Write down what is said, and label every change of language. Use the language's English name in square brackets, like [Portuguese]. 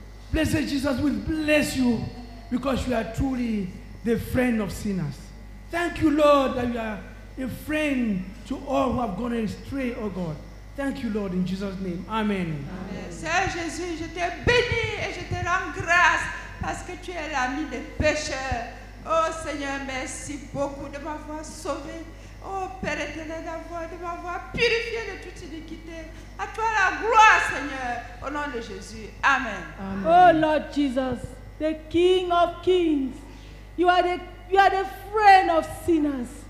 [English] Blessed Jesus will bless you because you are truly the friend of sinners. Thank you, Lord, that you are a friend to all who have gone astray, oh God. Thank you, Lord, in Jesus' name. Amen. [French] Seigneur Jésus, je te bénis et je te rends grâce parce que tu es l'ami des pécheurs. Oh Seigneur, merci beaucoup de m'avoir sauvé. Oh Père éternel, de m'avoir purifié de toute iniquité. À toi la gloire, Seigneur, au nom de Jésus. Amen. Amen. [English] Oh Lord Jesus, the King of Kings, you are the friend of sinners.